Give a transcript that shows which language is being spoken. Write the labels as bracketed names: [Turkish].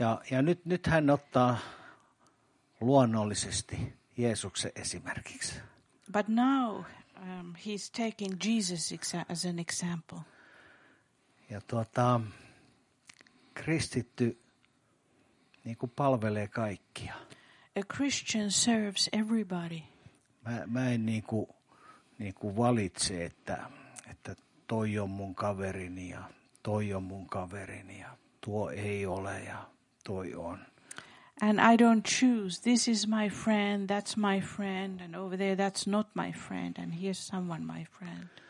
[Finnish] Ja nyt hän ottaa luonnollisesti Jeesuksen esimerkiksi. [English] But now he's taking Jesus as an example. [Finnish] Ja kristitty niin kuin palvelee kaikkia. [English] A Christian serves everybody. [Finnish] Mä en niin kuin valitse, että toi on mun kaverini ja toi on mun kaverini ja tuo ei ole ja toi on. [English] And I don't choose. This is my friend, that's my friend, and over there that's not my friend, and here's someone my friend.